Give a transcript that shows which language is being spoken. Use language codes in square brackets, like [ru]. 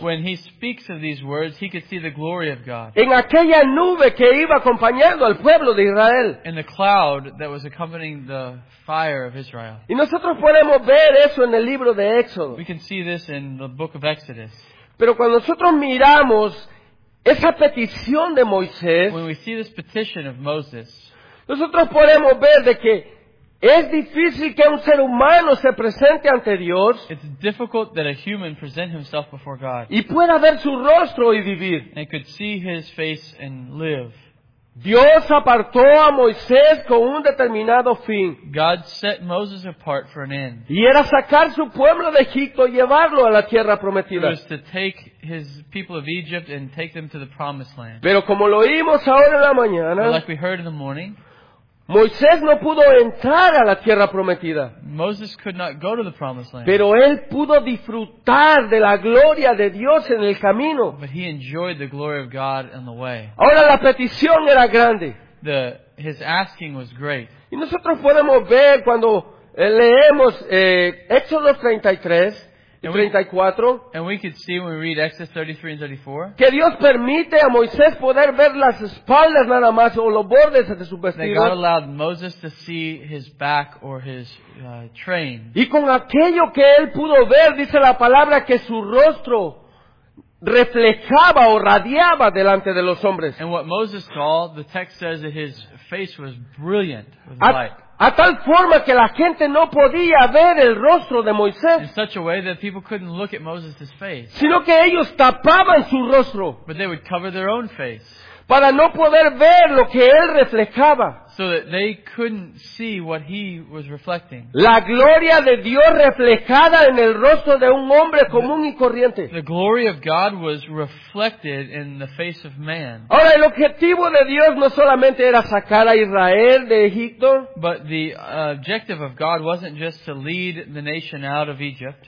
[en] When he speaks of these words, he could see the glory of God. [es] En aquella nube que iba acompañando al pueblo de Israel. [en] In the cloud that was accompanying the fire of Israel. [es] Y nosotros podemos ver eso en el libro de Éxodo. [en] We can see this in the book of Exodus. [es] Pero cuando nosotros miramos esa petición de Moisés, [en] when we see this petition of Moses, [es] nosotros podemos ver de que es difícil que un ser humano se presente ante Dios. [en] It's difficult that a human present himself before God. [es] Y pueda ver su rostro y vivir. [en] And could see his face and live. [es] Dios apartó a Moisés con un determinado fin. [en] God set Moses apart for an end. [es] Y era sacar su pueblo de Egipto y llevarlo a la tierra prometida. [en] It was to take his people of Egypt and take them to the promised land. [es] Pero como lo oímos ahora en la mañana, [en] like we heard in the morning, [es] Moisés no pudo entrar a la tierra prometida. [en] Moses could not go to the promised land. [es] Pero él pudo disfrutar de la gloria de Dios en el camino. [en] But he enjoyed the glory of God in the way. [es] Ahora la petición era grande. [en] His asking was great. [es] Y nosotros podemos ver cuando leemos Éxodo 33 y 34. [en] And we could see when we read Exodus 33 and 34. [es] Que Dios permite a Moisés poder ver las espaldas nada más o los bordes de su vestido. [en] That God allowed Moses to see his back or his train. [es] Y con aquello que él pudo ver, dice la palabra que su rostro reflejaba o radiaba delante de los hombres. [en] And what Moses saw, the text says that his face was brilliant with light. [es] A tal forma que la gente no podía ver el rostro de Moisés. [en] In such a way that people couldn't look at Moses' face. [es] Sino que ellos tapaban su rostro. [en] But they would cover their own face. [es] Para no poder ver lo que él reflejaba. [en] So that they couldn't see what he was reflecting. [es] La gloria de Dios reflejada en el rostro de un hombre común y corriente. [en] The glory of God was reflected in the face of man. [es] Ahora, el objetivo de Dios no solamente era sacar a Israel de Egipto. [en] But the objective of God wasn't just to lead the nation out of Egypt.